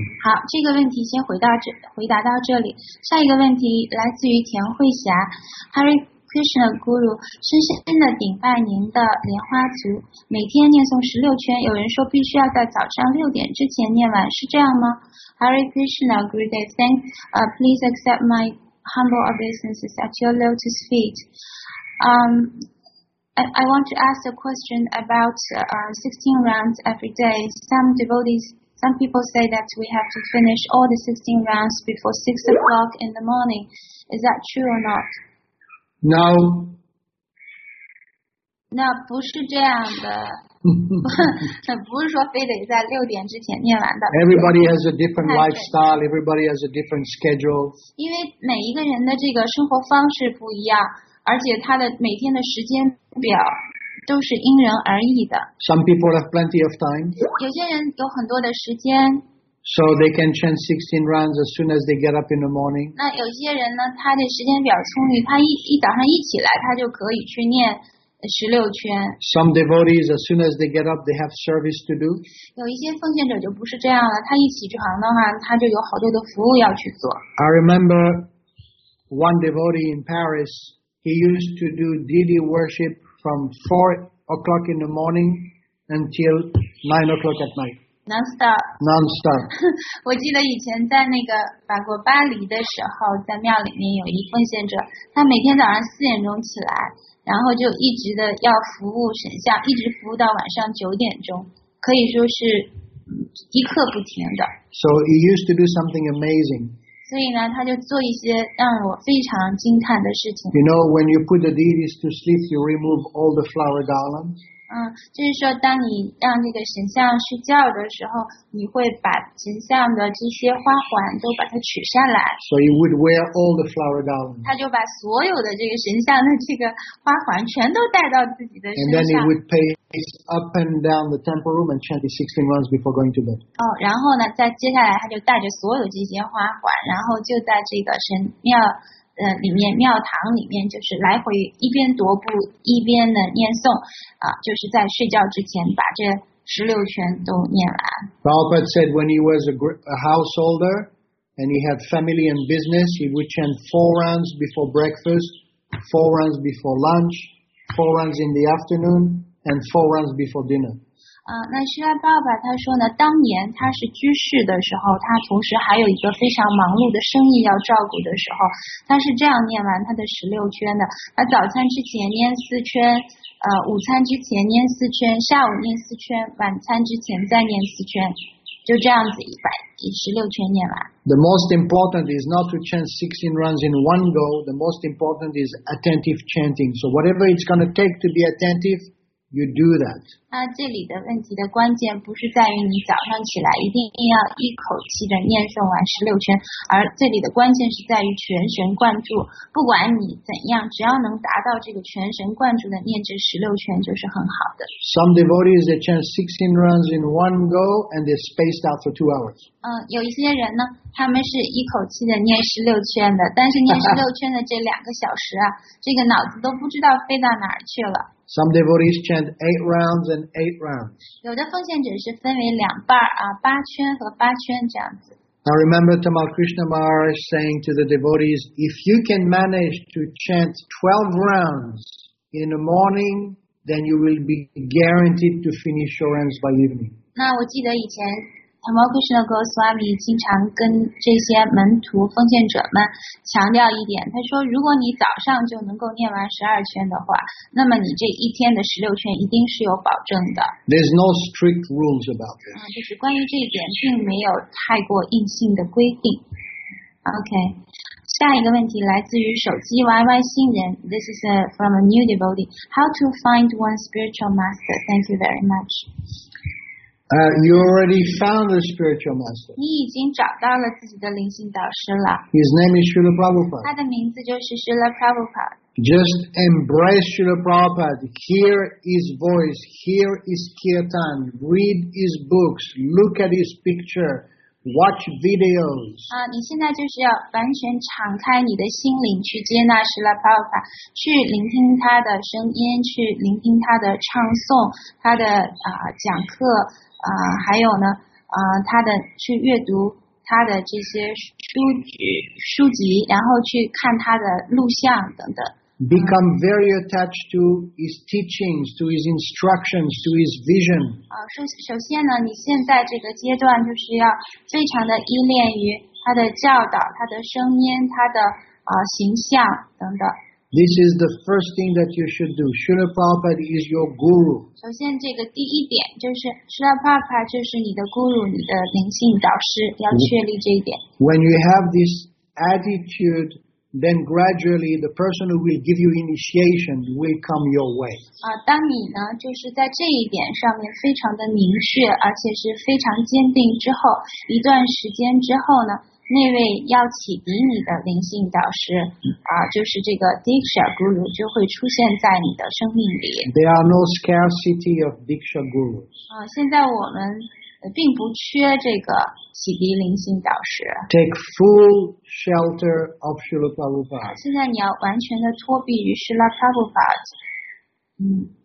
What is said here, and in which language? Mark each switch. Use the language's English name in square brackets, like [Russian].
[Chinese] 好，这个问题先回答到这里。下一个问题来自于田慧霞 ， [English] Hare Krishna Guru， 深深的顶拜您的莲花足，每天念诵16圈，有人说必须要在早上6点之前念完，是这样吗 ？Hare Krishna Guru Day， thank please accept my humble obeisances at your lotus feet. I want to ask a question about 16 rounds every day. Some devotees Some people say that we have to finish all the 16 rounds before 6 o'clock in the morning. Is that true or not? No. [Chinese] 那不是这样的。不是说非得在六点之前念完的。 [English] Everybody has a different lifestyle. Everybody has a different schedule. [Chinese] 因为每一个人的这个生活方式不一样，而且他的每天的时间表都是因人而异的。 [English] Some people have plenty of time. [Chinese] 有些人有很多的时间。 [English] So they can chant 16 rounds as soon as they get up in the morning. [Chinese] 那有些人呢，他的时间表充裕，他一早上一起来，他就可以去念。 [English] Some devotees, as soon as they get up, they have service to do. [Chinese] 有一些奉献者就不是这样了，他一起床的话，他就有好多的服务要去做。 [English] I remember one devotee in Paris. He used to do deity worship from 4 o'clock in the morning until 9 o'clock at night. Non-stop. [Chinese] 我记得以前在那个法国巴黎的时候，在庙里面有一奉献者，他每天早上4点钟起来。然后就一直的要服务神像，一直服务到晚上9点钟，可以说是一刻不停的。 [English] So he used to do something amazing. [Chinese] 所以呢，他就做一些让我非常惊叹的事情。 [English] You know, when you put the deities to sleep, you remove all the flower garlands. [Chinese] 就是说，当你让这个神像睡觉的时候，你会把神像的这些花环都把它取下来。 [English] So he would wear all the flower garlands. [Chinese] 他就把所有的这个神像的这个花环全都带到自己的身上。 [English] And then he would pace up and down the temple room and chant 16 rounds before going to bed. [Chinese] 然后呢，在接下来他就带着所有这些花环，然后就在这个神庙。里面庙堂里面就是来回一边踱步一边的念诵，就是在睡觉之前把这十六圈都念完。 [English] Prabhupada said when he was a householder and he had family and business, he would chant 4 rounds before breakfast, 4 rounds before lunch, 4 rounds in the afternoon, and 4 rounds before dinner. [Chinese] 那释迦牟尼他说呢，当年他是居士的时候，他同时还有一个非常忙碌的生意要照顾的时候，他是这样念完他的十六圈的：他早餐之前念四圈，午餐之前念四圈，下午念四圈，晚餐之前再念四圈，就这样子把十六圈念完。 [English] The most important is not to chant 16 rounds in one go. The most important is attentive chanting. So whatever it's going to take to be attentive. You do that. [Chinese] 这里的问题的关键不是在于你早上起来一定要一口气的念诵完十六圈，而这里的关键是在于全神贯注。不管你怎样，只要能达到这个全神贯注的念这十六圈，就是很好的。 [English] Some devotees they chant 16 rounds in one go and they're spaced out for 2 hours. [Chinese] 有一些人呢，他们是一口气的念十六圈的，但是念十六圈的这两个小时啊，这个脑子都不知道飞到哪儿去了。 [English] Some devotees chant 8 rounds and 8 rounds. [Chinese] 有的奉献者是分为两半八圈和八圈这样子。 [English] I remember Tamal Krishna Maharaj saying to the devotees, if you can manage to chant 12 rounds in the morning, then you will be guaranteed to finish your rounds by evening. [Chinese] 那我记得以前 Tamal Krishna Goswami 经常跟这些门徒奉献者们强调一点，他说如果你早上就能够念完12圈的话，那么你这一天的16圈一定是有保证的。 [English] There's no strict rules about this. [Chinese] 就是关于这一点并没有太过硬性的规定。 OK, 下一个问题来自于手机 YY 新人。 [English] This is from a new devotee. How to find one spiritual master? Thank you very much. You already found a spiritual master. [Chinese] 你已经找到了自己的灵性导师了。 [English] His name is Srila Prabhupada. [Chinese] 他的名字就是 Srila Prabhupada. [English] Just embrace Srila Prabhupada. Hear his voice. Hear his kirtan. Read his books. Look at his picture. Watch videos. [Chinese] 你现在就是要完全敞开你的心灵去接纳 Srila Prabhupada, 去聆听他的声音，去聆听他的唱诵，他的讲课。还有呢，他的去阅读他的这些书籍，然后去看他的录像等等。 [English] Become very attached to his teachings, to his instructions, to his vision. [Chinese] 首先呢，你现在这个阶段就是要非常的依恋于他的教导、他的声音、他的形象等等。 [English] This is the first thing that you should do. Srila Prabhupada is your guru. [Chinese] 首先这个第一点就是 Srila Prabhupada 就是你的 guru, 你的灵性导师要确立这一点。 [English] When you have this attitude,then gradually the person who will give you initiation will come your way. [Chinese] 当你呢就是在这一点上面非常的明确而且是非常坚定之后一段时间之后呢那位要启迪你的灵性导师就是这个 Diksha Guru 就会出现在你的生命里。 [English] There are no scarcity of Diksha Gurus. [Chinese] 现在我们并不缺这个启迪灵性导师。 [English] Take full shelter of Srila Prabhupada. [Chinese] 现在你要完全的托庇于 Srila Prabhupada.